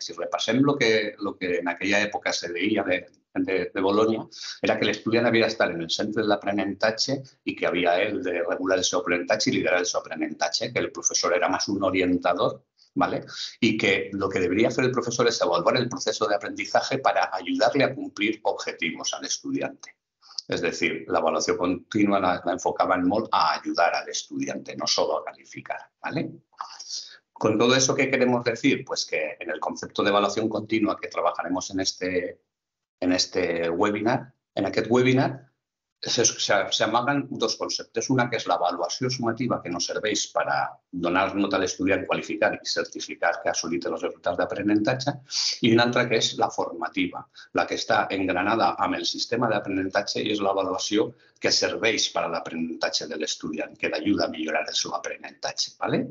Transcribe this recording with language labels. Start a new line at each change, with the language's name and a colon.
Catalan: Si repassem lo que en aquella època se deia de Bolonya, era que l'estudiant havia d'estar en el centre de l'aprenentatge i que havia ell de regular el seu aprenentatge i liderar el seu aprenentatge, que el professor era més un orientador, ¿vale? I que el que debería fer el professor és avaluar el procés d'aprenentatge per ajudar-li a complir objectius a l'estudiant. És a dir, l'avaluació contínua l'enfocaven molt a ajudar a l'estudiant,
Spanish: no solo a calificar.
Catalan: ¿Vale?
Spanish: Con todo eso, ¿qué queremos decir? Pues que en el concepto de evaluación continua que trabajaremos en
Catalan: aquest webinar,
Spanish: se amagan dos conceptos. Una que es la evaluación sumativa, que nos
Catalan: serveix per a donar nota a l'estudiant, qualificar i certificar que ha assolit els resultats d'aprenentatge, i una altra que és la formativa, la que està engranada amb el sistema d'aprenentatge i és l'avaluació que serveix per a l'aprenentatge de l'estudiant, que l'ajuda a millorar el seu aprenentatge. ¿Vale?